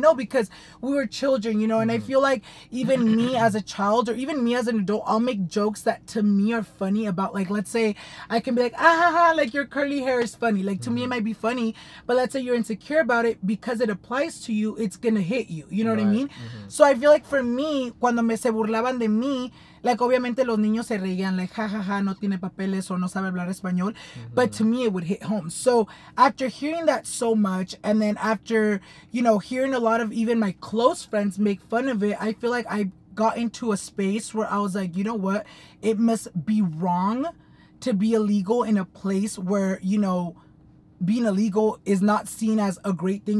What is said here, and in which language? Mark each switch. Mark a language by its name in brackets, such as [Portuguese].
[English] No, because we were children, you know? And I feel like even me as a child or even me as an adult, I'll make jokes that to me are funny about, like, let's say I can be like, ah, ha, ha, like, your curly hair is funny. Like, to me, it might be funny. But let's say you're insecure about it because it applies to you, it's going to hit you. You know what I mean? So I feel like for me, [Spanish] cuando me se burlaban de mí, like, obviamente los niños se reían, like, ja, ja, ja, no tiene papeles o no sabe hablar español. [English] But to me, it would hit home. So after hearing that so much, and then after, you know, hearing a lot of even my close friends make fun of it, I feel like I got into a space where I was like, you know what? It must be wrong to be illegal in a place where, you know, being illegal is not seen as a great thing.